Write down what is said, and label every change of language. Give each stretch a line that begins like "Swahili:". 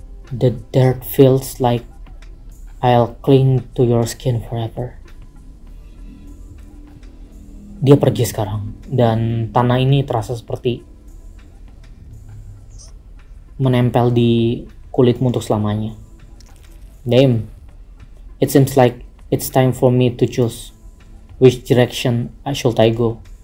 English: The dirt feels like I'll cling to your skin forever.
Indonesian: Dia pergi sekarang dan tanah ini terasa seperti menempel di kulitmu untuk selamanya.
English: Damn. It seems like it's time for me to choose which direction I should I go.